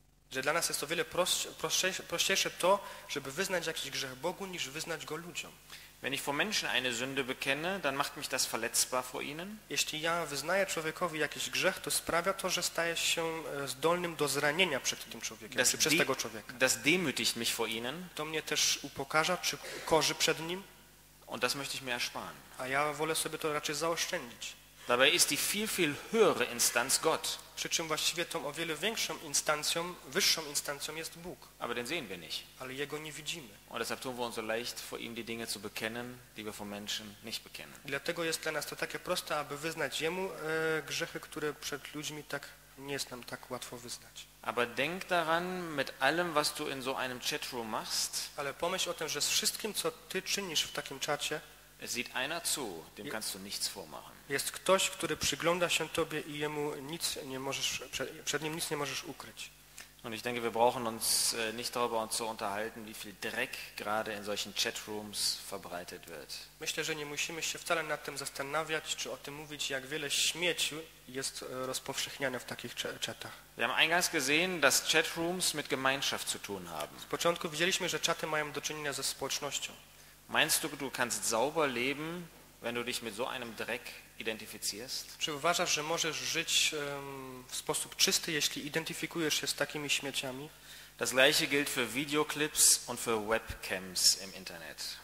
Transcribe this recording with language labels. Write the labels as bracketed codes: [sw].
[pl] Że dla nas jest o wiele prostsze to, żeby wyznać jakiś grzech Bogu, niż wyznać go ludziom. [de] Wenn ich vor Menschen eine Sünde bekenne, dann macht mich das verletzbar vor ihnen. [pl] Jeśli ja wyznaję człowiekowi jakiś grzech, to sprawia to, że staję się zdolnym do zranienia przed tym człowiekiem, czy przez tego człowieka. [de] Das demütigt mich vor ihnen. [pl] To mnie też upokarza, czy korzy przed nim. [de] Und das möchte ich mir ersparen. [pl] A ja wolę sobie to raczej zaoszczędzić. [de] Dabei ist die viel, viel höhere Instanz Gott. [pl] Przy czym właściwie tą o wiele większą instancją, wyższą instancją jest Bóg. [de] Aber den sehen wir nicht. [pl] Ale Jego nie widzimy. [de] Und deshalb tun wir uns so leicht, vor ihm die Dinge zu bekennen, die wir vor Menschen nicht bekennen. [pl] Dlatego jest dla nas to takie proste, aby wyznać Jemu grzechy, które przed ludźmi tak nie jest nam tak łatwo wyznać. [de] Aber denk daran, mit allem, was du in so einem Chatroom machst. [pl] Ale pomyśl o tym, że z wszystkim, co ty czynisz w takim czacie, [de] es sieht einer zu, dem kannst du nichts vormachen. [pl] Jest ktoś, który przygląda się tobie i jemu nic nie możesz, przed nim nic nie możesz ukryć. [de] Und ich denke, wir brauchen uns nicht darüber zu unterhalten, wie viel Dreck gerade in solchen Chatrooms verbreitet wird. [pl] Myślę, że nie musimy się wcale nad tym zastanawiać, czy o tym mówić, jak wiele śmieci jest rozpowszechniane w takich czatach. [de] Wir haben eingangs gesehen, dass Chatrooms mit Gemeinschaft zu tun haben. [pl] Z początku widzieliśmy, że czaty mają do czynienia ze społecznością. [de] Meinst du, du kannst sauber leben, wenn du dich mit so einem Dreck identifizierst? [pl] Czy uważasz, że możesz żyć w sposób czysty, jeśli identyfikujesz się z takimi śmieciami? [de] Das gleiche gilt für Videoclips und für Webcams im Internet.